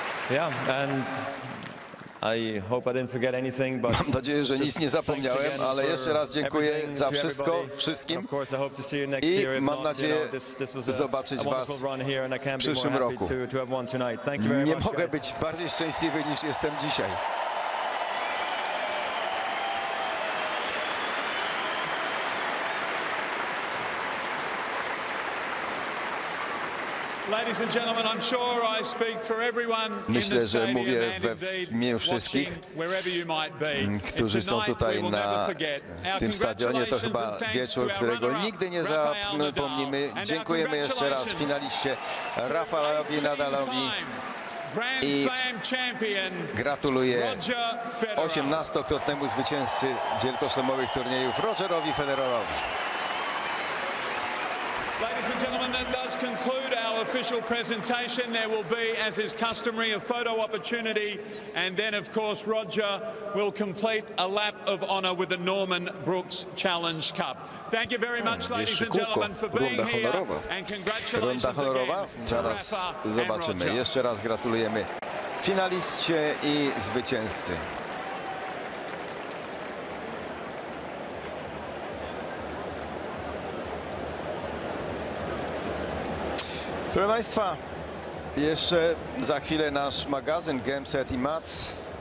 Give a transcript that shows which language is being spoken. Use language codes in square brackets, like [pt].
[en] Yeah, and I hope I didn't forget anything, but [pl] mam nadzieję, że nic nie zapomniałem, ale jeszcze raz dziękuję za wszystko wszystkim. [en] Of course, I hope to see you next [pl] i [en] year. [pl] Mam nadzieję, zobaczyć was w przyszłym roku. Nie mogę być bardziej szczęśliwy, niż jestem dzisiaj. [en] Ladies and gentlemen, I'm sure I speak for everyone in the stadium and indeed wherever you might be. [pl] Którzy są tutaj na tym stadionie, to chyba wieczór, którego nigdy nie zapomnimy. Dziękujemy jeszcze raz finaliście Rafaelowi Nadalowi i gratuluję 18-krotnemu zwycięzcy wielkoszlemowych turniejów Rogerowi Federerowi. [en] Ladies and gentlemen, that does conclude our official presentation. There will be, as is customary, a photo opportunity, and then, of course, Roger will complete a lap of honor with the Norman Brooks Challenge Cup. Thank you very much, ladies and gentlemen, for being here, and congratulations again to Rafa and Roger. [pl] Zobaczymy. Jeszcze raz gratulujemy finaliście i zwycięzcy. Proszę Państwa, jeszcze za chwilę nasz magazyn Gameset i Mats.